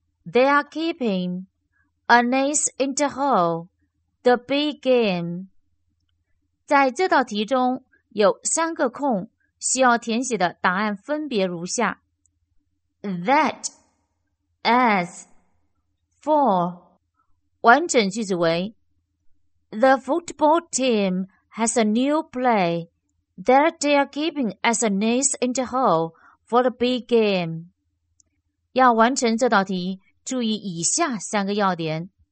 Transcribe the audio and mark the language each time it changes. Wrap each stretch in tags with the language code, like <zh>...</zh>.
<en>They are keeping an ace in the hole. The big game.</en> <zh>在这道题中有三个空，需要填写的答案分别如下。</zh> <en>That, as, for.</en> <zh>完整句子为</zh> <en>The football team has a new play. That they are keeping as a nice in the hole for the big game.</en> <zh>要完成这道题，注意以下三个要点。</zh>